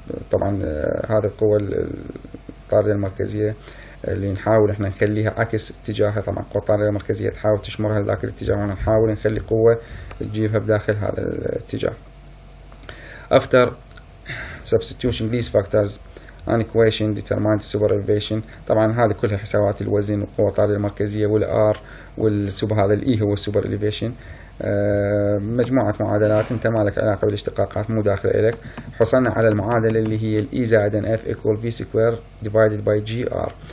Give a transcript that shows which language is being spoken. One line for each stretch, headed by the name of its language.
Arabic: طبعا هذه القوة الطاردة المركزية اللي نحاول احنا نخليها عكس اتجاهها. طبعا القوة الطاردة المركزية تحاول تشمرها لذاك الاتجاه، ونحاول نخلي قوة تجيبها بداخل هذا الاتجاه.
English: After substitution these factors an equation determined super elevation.
Arabic: طبعا هذه كلها حسابات الوزن والقوة الطاردة المركزية والار والسوبر، هذا الاي هو السوبر elevation، مجموعة معادلات انت مالك علاقة بالاشتقاقات مو داخل الك. حصلنا على المعادلة اللي هي الاي زائد ان اف ايكوال في سكوير ديفايدد باي جي ار.